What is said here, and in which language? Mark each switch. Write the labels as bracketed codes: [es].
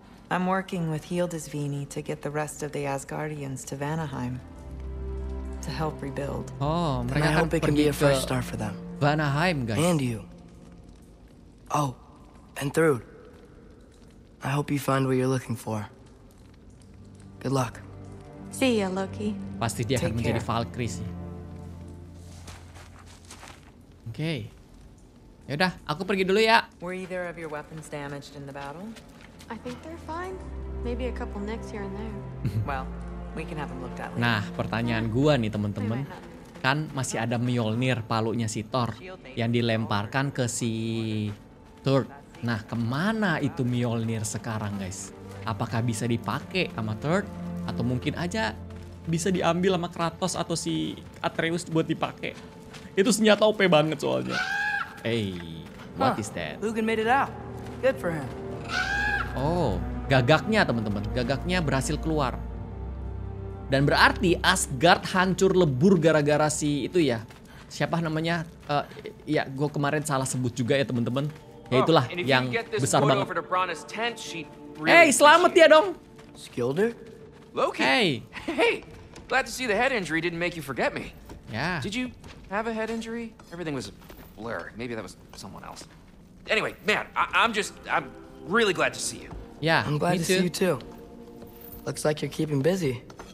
[en] I'm working with Hildisvini to get the rest of the Asgardians to Vanaheim to help rebuild. Oh, and I hope it can be a fresh start for them. Vanaheim, guys. And you. Oh, and Thrud. I hope you find what you're looking for. Good luck. See ya, Loki. [id] Pasti dia akan menjadi Valkyrie sih. [en] Okay. [id] Yaudah, aku pergi dulu ya. [en] Were either of your weapons damaged in the battle? I think they're fine. Maybe a couple nicks here and there. Well, we can have them looked at later. [id] Nah, pertanyaan gua nih teman-teman. Kan masih ada Mjolnir, palunya si Thor, yang dilemparkan ke si Thor. Nah, kemana itu Mjolnir sekarang, guys? Apakah bisa dipakai sama Thor? Atau mungkin aja bisa diambil sama Kratos atau si Atreus buat dipakai? Itu senjata OP banget soalnya. [en] Hey, what is that? Lugan made it out. Good for him. [id] Oh, gagaknya teman-teman. Gagaknya berhasil keluar. Dan berarti Asgard hancur lebur gara-gara si itu ya. Siapa namanya? Ya, gue kemarin salah sebut juga ya teman-teman. Ya itulah yang besar banget. Hey, selamat ya dong. Skilder? Loki. [en] Hey. Hey, glad to see the head injury didn't make you forget me. Yeah. Did you have a head injury? Everything was a blur. Maybe that was someone else. Anyway, man, I'm really glad to see you. Yeah, I'm glad to see you too. Looks like you're keeping busy.